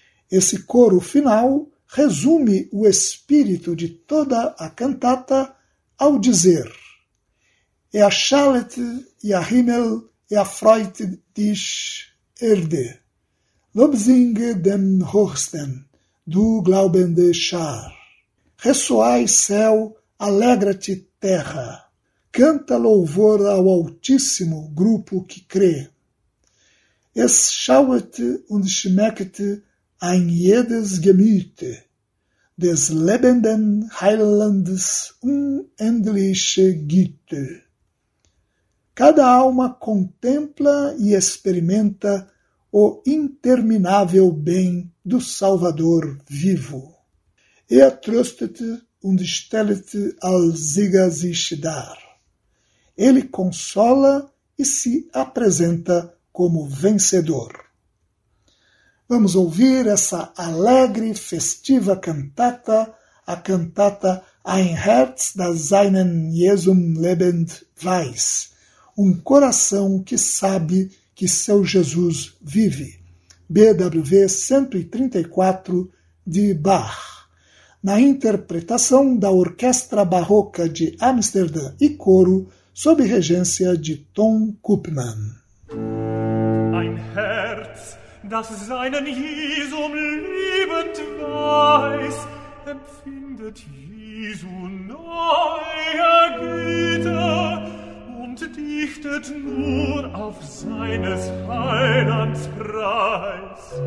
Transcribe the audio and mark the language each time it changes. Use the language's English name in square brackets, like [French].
[Portuguese] Esse coro final resume o espírito de toda a cantata ao dizer: [German] Erschallet ja Himmel, erfreut dich Erde, lobsinge dem Höchsten, du glaubende Schar. [Portuguese] Ressoai céu, alegra-te terra, canta louvor ao Altíssimo grupo que crê. [German] Es schauet und schmeckt ein jedes Gemüt des lebenden Heilandes unendliche Güte. [Portuguese] Cada alma contempla e experimenta o interminável bem do Salvador vivo. [German] Er tröstet und stellt als Sieger sich dar. [Portuguese] Ele consola e se apresenta como vencedor. Vamos ouvir essa alegre, festiva cantata, a cantata Ein Herz, das Seinen Jesum lebend weiß. Um coração que sabe que seu Jesus vive. BWV 134, de Bach. Na interpretação da Orquestra Barroca de Amsterdã e Coro, sob regência de Tom Koopman. [German] Ein Herz, das seinen Jesum liebend weiß, empfindet Jesu neue Güte. Und dichtet nur auf seines Heilands Preis.